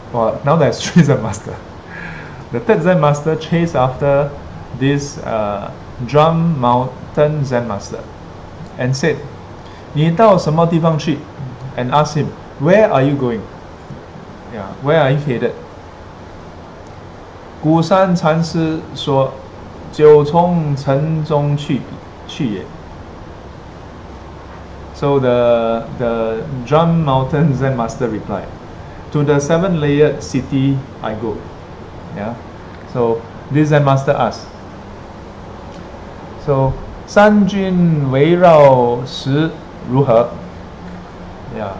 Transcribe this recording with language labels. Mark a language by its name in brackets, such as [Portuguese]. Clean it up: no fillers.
[English] Well, now there's three Zen master. The third Zen master chased after this Drum Mountain Zen master and said, [Chinese] 你到什么地方去? [English] And asked him, where are you going? Yeah, where are you headed? [Chinese] 古山禅师说, 九重城中去也. [English] So the Drum Mountain Zen master replied, to the seven layered city I go. Yeah. So this Zen master asked, so [Chinese] 三军围绕时如何? [English] Yeah.